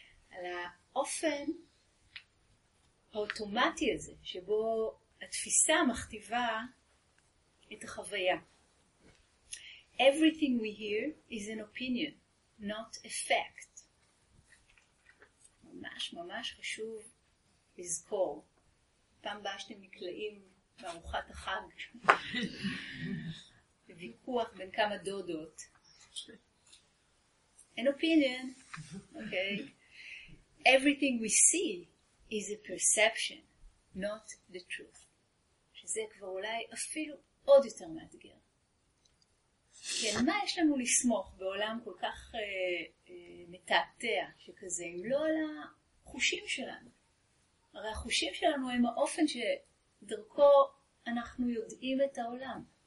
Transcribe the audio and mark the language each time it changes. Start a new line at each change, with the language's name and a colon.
Hebrew: על האופן האוטומטי הזה, שבו התפיסה מכתיבה את החוויה.
English: Everything we hear is an opinion, not a fact.
Hebrew: ממש ממש חשוב לזכור. פעם באה שאתם נקלעים בארוחת החג. ויכוח בין כמה דודות.
English: An opinion. Okay. Everything we see is a perception, not the truth.
Hebrew: שזה כבר אולי אפילו עוד יותר מאתגר. כן, מה יש לנו לסמוך בעולם כל כך מטעטע שכזה, אם לא על החושים שלנו? הרי החושים שלנו הם האופן שדרכו אנחנו יודעים את העולם.